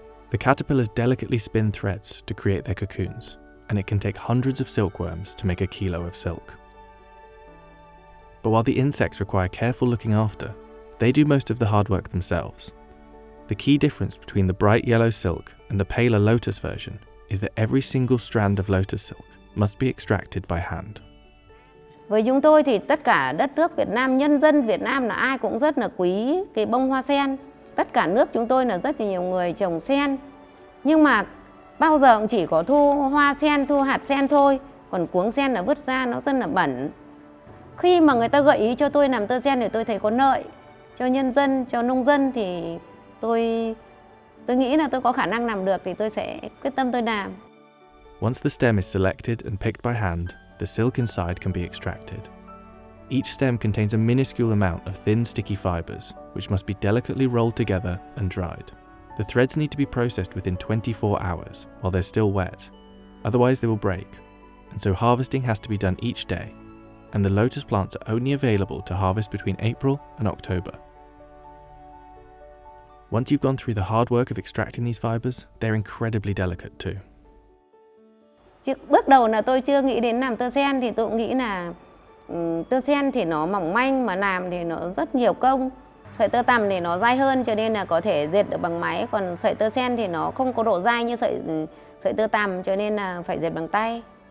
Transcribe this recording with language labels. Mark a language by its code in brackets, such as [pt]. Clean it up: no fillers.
[en] The caterpillars delicately spin threads to create their cocoons, and it can take hundreds of silkworms to make a kilo of silk. But while the insects require careful looking after, they do most of the hard work themselves. The key difference between the bright yellow silk and the paler lotus version is that every single strand of lotus silk must be extracted by hand. [vi] Với chúng tôi thì tất cả đất nước Việt Nam, nhân dân Việt Nam là ai cũng rất là quý cái bông hoa sen. Tất cả nước chúng tôi là rất là nhiều người trồng sen. Nhưng mà bao giờ cũng chỉ có thu hoa sen, thu hạt sen thôi. Còn cuống sen là vứt ra nó rất là bẩn. Khi mà người ta gợi ý cho tôi làm tơ sen thì tôi thấy có lợi. Cho nhân dân, cho nông dân thì tôi nghĩ là tôi có khả năng làm được thì tôi sẽ quyết tâm tôi làm. [en] Once the stem is selected and picked by hand, the silk inside can be extracted. Each stem contains a minuscule amount of thin sticky fibers, which must be delicately rolled together and dried. The threads need to be processed within 24 hours while they're still wet, otherwise they will break. And so harvesting has to be done each day. And the lotus plants are only available to harvest between April and October. Once you've gone through the hard work of extracting these fibers, they're incredibly delicate too. [vi] Bước đầu là tôi chưa nghĩ đến làm tơ sen thì tôi cũng nghĩ là tơ sen thì nó mỏng manh mà làm thì nó rất nhiều công. Sợi tơ tằm thì nó dai hơn cho nên là có thể dệt được bằng máy, còn sợi tơ sen thì nó không có độ dai như sợi tơ tằm cho nên là phải dệt bằng tay.